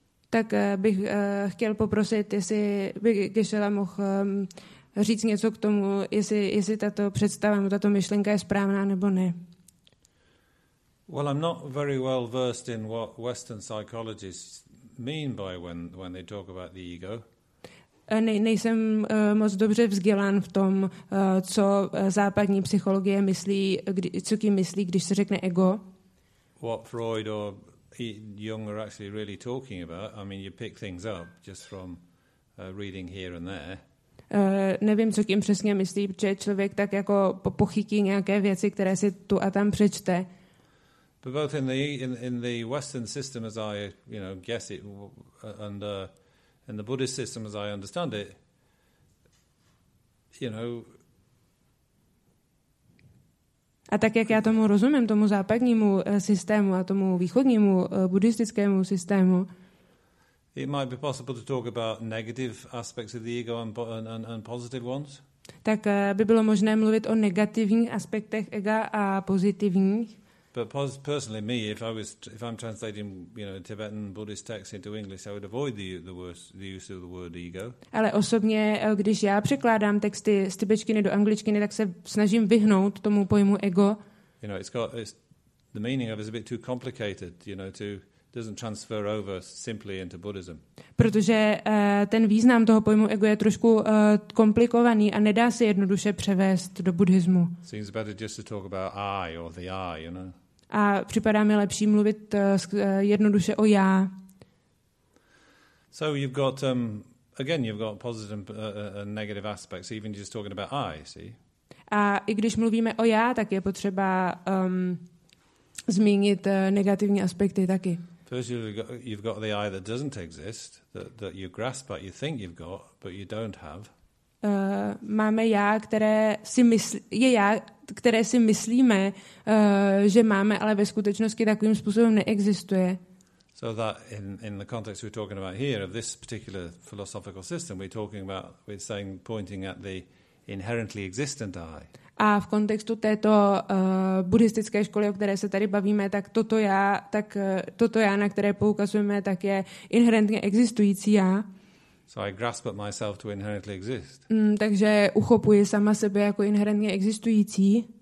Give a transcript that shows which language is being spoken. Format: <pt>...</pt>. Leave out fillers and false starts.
<cs>Tak bych chtěl poprosit, jestli by Geshe-la mohl říct něco k tomu, jestli tato představa nebo tato myšlenka je správná nebo ne.</cs> <en>Well, I'm not very well versed in what Western psychologists mean by when they talk about the ego.</en> <cs>nejsem moc dobře vzdělán v tom, co západní psychologie myslí, co tím myslí, když se řekne ego.</cs> <en>What Freud or Jung are actually really talking about. I mean, you pick things up just from reading here and there.</en> <cs>Nevím, co tím přesně myslí, že člověk tak jako pochytí nějaké věci, které si tu a tam přečte.</cs> <en>But both in the Western system, as I guess it, and in the Buddhist system, as I understand it,</en> <cs>A tak jak já tomu rozumím, tomu západnímu systému a tomu východnímu buddhistickému systému.</cs> <en>It might be possible to talk about negative aspects of the ego and positive ones.</en> <cs>Tak by bylo možné mluvit o negativních aspektech ega a pozitivních.</cs> <en>But personally, me, if I'm translating, Tibetan Buddhist texts into English, I would avoid the use of the word ego.</en> <cs>Ale osobně, když já překládám texty z tibetštiny do angličtiny, tak se snažím vyhnout tomu pojmu ego.</cs> <en>It's the meaning of it is a bit too complicated, doesn't transfer over simply into Buddhism.</en> <cs>Protože ten význam toho pojmu ego je trošku komplikovaný a nedá se jednoduše převést do buddhismu.</cs> <en>Seems better just to talk about I or the I, you know.</en> <cs>A připadá mi lepší mluvit jednoduše o já.</cs> <en>So you've got you've got positive and negative aspects, even just talking about I, see?</en> <cs>A i když mluvíme o já, tak je potřeba zmínit negativní aspekty taky.</cs> <en>First, you've got the I that doesn't exist, that you grasp at, you think you've got, but you don't have.</en> <cs>Máme já, které si myslíme, že máme, ale ve skutečnosti takovým způsobem neexistuje.</cs> <en>So that in the context we're talking about here of this particular philosophical system, we're pointing at the inherently existent I.</en> <cs>A v kontextu této buddhistické školy, o které se tady bavíme, tak toto já, na které poukazujeme, tak je inherentně existující já.</cs> <en>So I grasp at myself to inherently exist.</en> <cs>Takže uchopuji sama sebe jako inherentně existující.</cs>